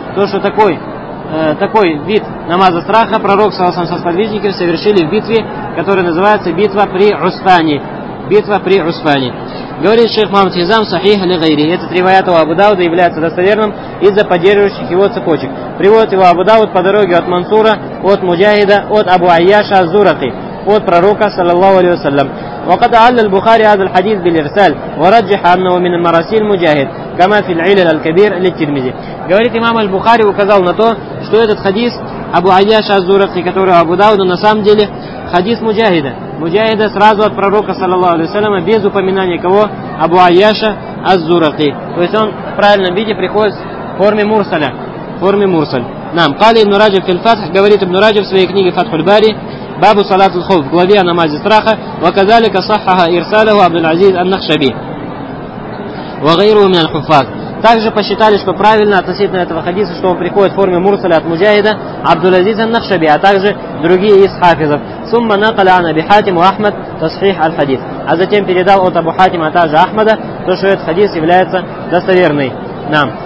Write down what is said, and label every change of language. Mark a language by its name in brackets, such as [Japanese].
[Russian] То, что такой, такой вид намаза страха пророк салам со сподвижниками совершили в битве, которая называется «Битва при Усфане». «Битва при Усфане». Говорит шейх Мухаммад Хизам сахих аль-гайри. Этот риваят у Абу Дауда является достоверным из-за поддерживающих его цепочек. Приводит его Абу Дауд по дороге от Мансура, от Муджахида, от Абу Айяша аз-Зурақи, от пророка, саллаллаху алейхи вассалям. [Arabic] وقد أعل البخاري هذا الحديث بالإرسال ورجح أنه من المراسيل مجاهد كما في العلل الكبير للترمذي. [Russian] Говорит имам аль-Бухари указал на то, что этот хадис Абу Айяш аз-Зурақи, который Абу Дауд, на самом деле хадис Муджахида. Муджахида сразу от пророка, саллаллаху алейхи вассалям, без упоминания кого? Абу Айяша аз-Зурақи. То есть он в правильном виде приходит в форме мурсаля. В форме мурсаль. [Arabic] Нам. قال ابن راجب في الفتح. [Russian] Говорит ابن راجب в своей книге «Фатху аль-Бари» Бабу салат аль-Хоф в главе о намазе страха. [Arabic] وكذلك صحح إرساله عبد العزيز النخشبي وغيره من الحفاظ. [Russian] Также посчитали, что правильно относительно этого хадиса, что он приходит в форме мурсаля от муджахида Абдул-Азиз ан-Нахшаби, а также другие из хафизов. [Arabic] Сумма накаля ан Аби Хатим ва Ахмад тасхих аль-хадис. [Russian] А затем передал от Абу Хатима, а также Ахмада, то, что этот хадис является достоверным. Нам.